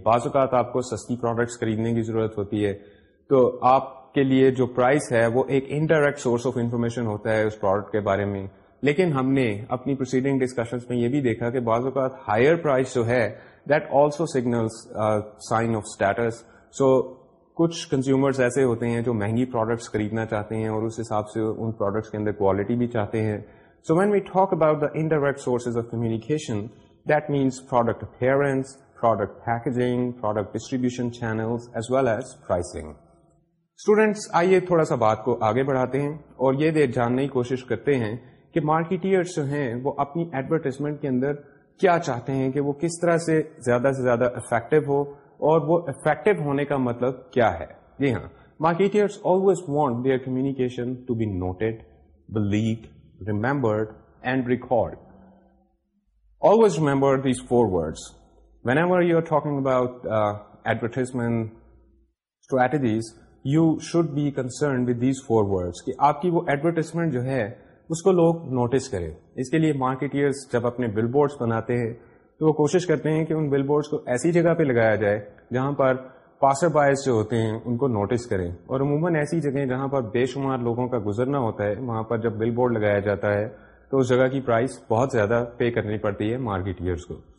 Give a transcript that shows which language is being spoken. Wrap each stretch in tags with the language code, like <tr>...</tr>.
<ur>بعض اوقات آپ کو سستی پروڈکٹس خریدنے کی ضرورت ہوتی ہے تو آپ کے لیے جو پرائس ہے وہ ایک انڈائریکٹ سورس آف انفارمیشن ہوتا ہے اس پروڈکٹ کے بارے میں. لیکن ہم نے اپنی پروسیڈنگ ڈسکشنز میں یہ بھی دیکھا کہ بعض اوقات ہائر پرائس جو ہے</ur> <en>That also signals sign of status.</en> <ur>سو کچھ کنزیومرز ایسے ہوتے ہیں جو مہنگی پروڈکٹس خریدنا چاہتے ہیں اور اس حساب سے ان پروڈکٹس کے اندر کوالٹی بھی چاہتے ہیں.</ur> <en>So when we talk about the indirect sources of communication, that means product appearance, product packaging, product distribution channels as well as pricing.</en> <ur>Students, آئیے تھوڑا سا بات کو آگے بڑھاتے ہیں اور یہ جاننے کی کوشش کرتے ہیں کہ مارکیٹرز جو ہیں وہ اپنی ایڈورٹائزمنٹ کے اندر کیا چاہتے ہیں, کہ وہ کس طرح سے زیادہ افیکٹو ہو اور وہ افیکٹو ہونے کا مطلب کیا ہے. جی ہاں,</ur> <en>Marketers always want their communication to be noted, believed, remembered and record. Always remember these four words whenever you are talking about advertisement strategies. You should be concerned with these four words.</en> <ur>کہ آپ کی وہ advertisement جو ہے اس کو لوگ notice کرے. اس کے لیے مارکیٹرز جب اپنے بل بورڈس بناتے ہیں تو وہ کوشش کرتے ہیں کہ ان بل بورڈس کو ایسی جگہ پہ لگایا جائے جہاں پر پاسر بائز جو ہوتے ہیں ان کو نوٹس کریں. اور عموماً ایسی جگہیں جہاں پر بے شمار لوگوں کا گزرنا ہوتا ہے وہاں پر جب بل بورڈ لگایا جاتا ہے تو اس جگہ کی پرائس بہت زیادہ پے کرنی پڑتی ہے مارکیٹرز کو.</ur>